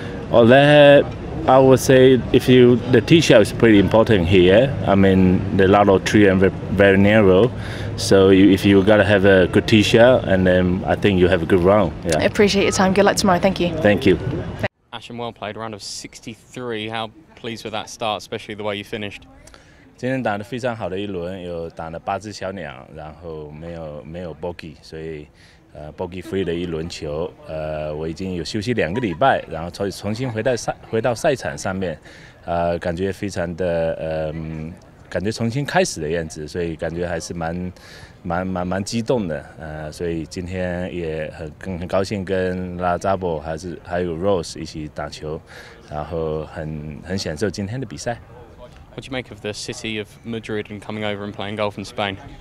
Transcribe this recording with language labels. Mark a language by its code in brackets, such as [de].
[en] Well, I would say the tee shot is pretty important here. I mean, the lot of tree and very narrow. So if you gotta have a good tee shot, and then I think you have a good round. Yeah. I appreciate your time. Good luck tomorrow. Thank you. Thank you. Ashun, well played. Round of 63. How pleased with that start, especially the way you finished? [zh] 今天打得非常好的一轮，有打了八只小鸟，然后没有bogey，所以。 bogey free的一轮球，我已经有休息2个礼拜，然后重新回到赛场上面，感觉非常的感觉重新开始的样子，所以感觉还是蛮激动的，所以今天也很高兴跟拉扎波还有 Rose 一起打球，然后很享受今天的比赛。 [en] What do you make of the city of Madrid and coming over and playing golf in Spain?